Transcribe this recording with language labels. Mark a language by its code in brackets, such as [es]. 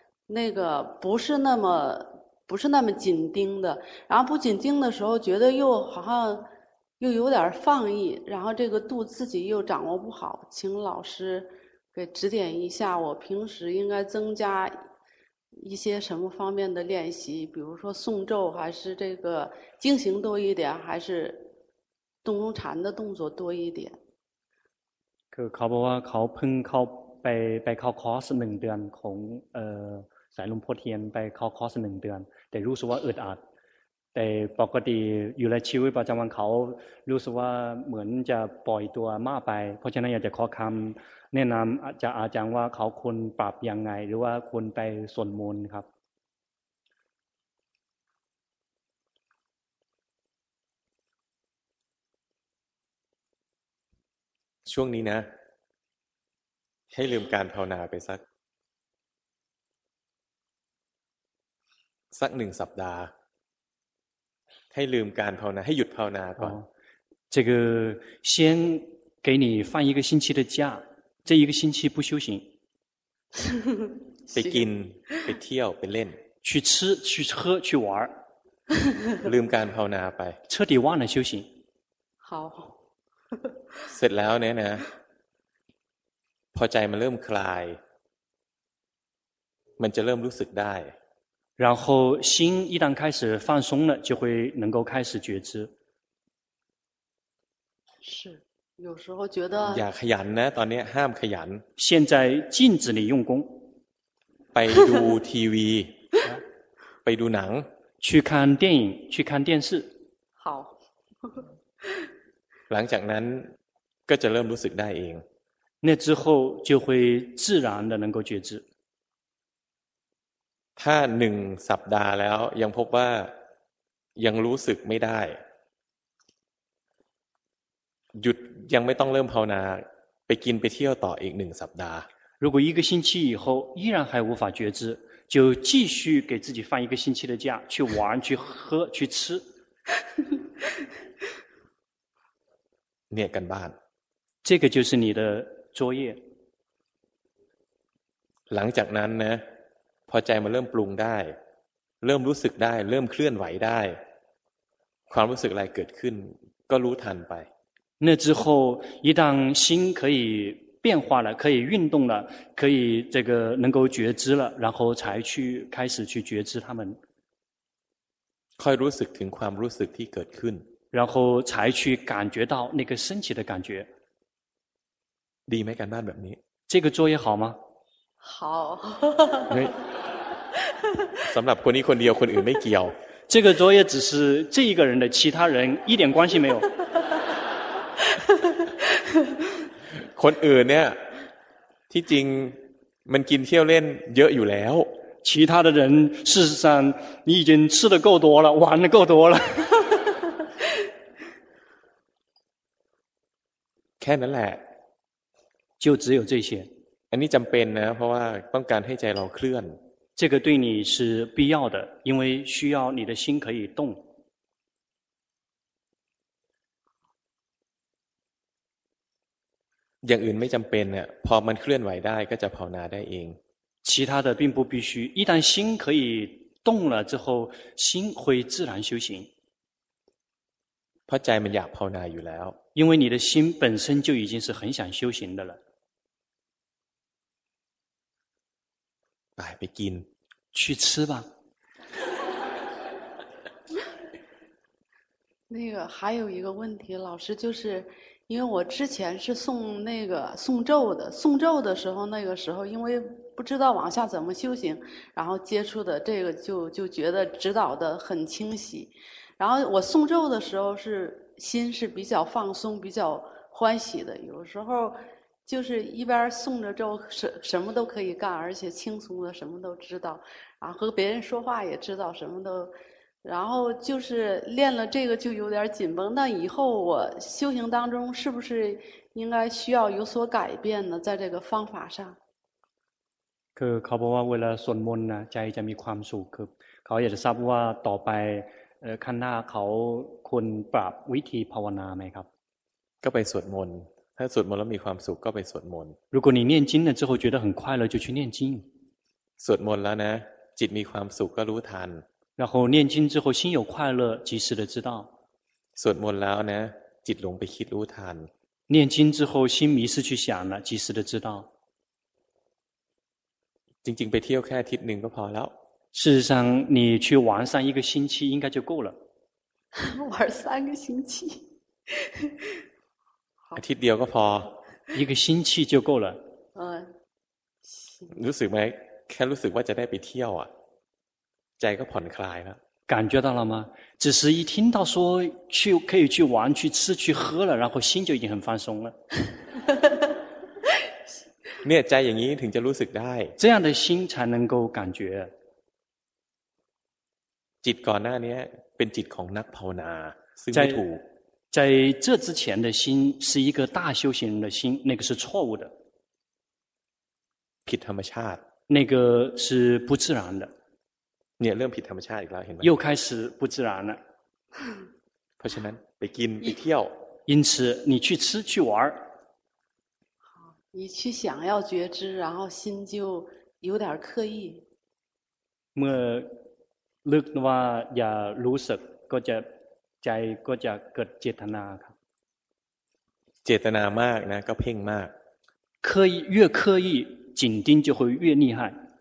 [zh] 那个不是那么紧盯的然后不紧盯的时候觉得又好像又有点放逸然后这个度自己又掌握不好请老师给指点一下我平时应该增加一些什么方面的练习比如说诵咒还是这个静行多一点还是洞中禅的动作多一点 [th] คือเขาบอกว่าเขาเพิ่งเข้าไปเข้าคอร์ส1เดือนของสายลมโพธิ์เทียนไปเข้าคอร์ส1เดือนแต่รู้สึกว่าอึดอัดแต่ปกติอยู่ในชีวิตประจำวันเขารู้สึกว่าเหมือนจะปล่อยตัวมากไปเพราะฉะนั้นอยากจะขอคำแนะนำจะอาจารย์ว่าเขาควรปรับยังไงหรือว่าควรไปสวดมนต์ครับ อ ช่วงนี้นะให้ลืมการภาวนาไปสักหนึ่งสัปดาห์ให้ลืมการภาวนาให้หยุดภาวนาก่อน [zh] 这个先给你放一个星期的假这一个星期不修行 [th] ไปกินไปเที่ยวไปเล่น [zh] 去吃去喝去玩 [th] ลืมการภาวนาไป [zh] 彻底忘了修行好 [th] เสร็จแล้วเนี่ยนะพอใจมันเริ่มคลายมันจะเริ่มรู้สึกได้ [zh] 然后心一旦开始放松了就会能够开始觉知是有时候觉得 [th] อย่าขยันนะตอนนี้ห้ามขยัน [zh] 现在禁止你用功 [th] ไปดูทีวีไปดูหนัง [zh] 去看电影去看电视好 [th] หลังจากนั้นก็จะเริ่มรู้สึกได้เอง [zh] 那之后就会自然的能够觉知 [th] ถ้า1สัปดาห์แล้วยังพบว่ายังรู้สึกไม่ได้หยุดยังไม่ต้องเริ่มภาวนาไปกินไปเที่ยวต่ออีก1สัปดาห์ [zh] 如果一个星期以后依然还无法觉知就继续给自己放一个星期的假去玩去喝去吃 [th] เนี่ยกันบ้าน [zh] 这个就是你的作业 [th] หลังจากนั้นนะพอใจมันเริ่มปรุงได้เริ่มรู้สึกได้เริ่มเคลื่อนไหวได้ความรู้สึกอะไรเกิดขึ้นก็รู้ทันไป [zh] 那之后一旦心可以变化了可以运动了可以这个能够觉知了然后才去开始去觉知他们 [th] ค่อยรู้สึกถึงความรู้สึกที่เกิดขึ้น [zh] 然后才去感觉到那个升起的感觉 [th] ดีไหมการบ้านแบบนี้ [zh] 这个作业好吗好 [th] สำหรับคนนี้คนเดียวคนอื่นไม่เกี่ยว [zh] 这个作业只是这一个人的其他人一点关系没有 [th] คนอื่นเนี่ยที่จริงมันกินเที่ยวเล่นเยอะอยู่แล้ว [zh] 其他的人事实上你已经吃的够多了玩的够多了 [th] แค่นั้นแหละ [zh] 就只有这些 [th] อันนี้จำเป็นนะเพราะว่าต้องการให้ใจเราเคลื่อน [zh] 这个对你是必要的因为需要你的心可以动 [th] อย่างอื่นไม่จำเป็นเนี่ยพอมันเคลื่อนไหวได้ก็จะภาวนาได้เอง [zh] 其他的并不必须一旦心可以动了之后心会自然修行 [th] เพราะใจมันอยากภาวนาอยู่แล้ว [zh] 因为你的心本身就已经是很想修行的了 [th] ไปกิน [zh] 去吃吧那个还有一个问题老师就是因为我之前是送那个送咒的送咒的时候那个时候因为不知道往下怎么修行然后接触的这个就觉得指导的很清晰然后我送咒的时候是心是比较放松比较欢喜的有时候就是一边送着咒什么都可以干而且轻松的什么都知道啊和别人说话也知道什么都然后就是练了这个就有点紧绷那以后我修行当中是不是应该需要有所改变呢在这个方法上 [th] คือเขาบอกว่าเวลาสวดมนต์นะใจจะมีความสุขคือเขาอยากจะทราบว่าต่อไปข้างหน้าเขาควรปรับวิธีภาวนาไหมครับ ก็ไปสวดมนต์ถ้าสวดมนต์แล้วมีความสุขก็ไปสวดมนต์ [zh] 如果你念经了之后觉得很快乐就去念经 [th] สวดมนต์แล้วนะจิตมีความสุขก็รู้ทัน [zh] 然后念经之后心有快乐及时的知道 [th] สวดมนต์แล้วนะจิตหลงไปคิดรู้ทัน [zh] 念经之后心迷失去想了及时的知道 [th] จริงๆไปเที่ยวแค่อาทิตย์หนึ่งก็พอแล้ว [zh] 事实上你去玩上一个星期应该就够了玩三个星期 [th] อาทิตย์เดียวก็พอ [zh] 一个星期就够了 [th] รู้สึกไหมแค่รู้สึกว่าจะได้ไปเที่ยวอ่ะใจก็ผ่อนคลายแล้ว [zh] 感觉到了吗只是一听到说去可以去玩去吃去喝了然后心就已经很放松了 [th] เนี่ยใจอย่างนี้ถึงจะรู้สึกได้ [zh] 这样的心才能够感觉 [th] จิตก่อนหน้านี้เป็นจิตของนักภาวนาซึ่งไม่ถูก [zh] 在这之前的心是一个大修行人的心，那个是错误的。 [th] ผิดธรรมชาติ [zh] 那个是不自然的。 [th] เนี่ยเริ่มผิดธรรมชาติอีกแล้วเห็นไหม [zh] 又开始不自然了。 [th] เพราะฉะนั้นไปกินไปเที่ยว [zh] 因此你去吃去玩。你去想要觉知，然后心就有点刻意。 [th] เมื่อลึกว่าอย่ารู้สึกก็จะใจก็จะเกิดเจตนาครับ เจตนามากนะก็เพ่งมาก [zh] 刻意越刻意紧盯就会越厉害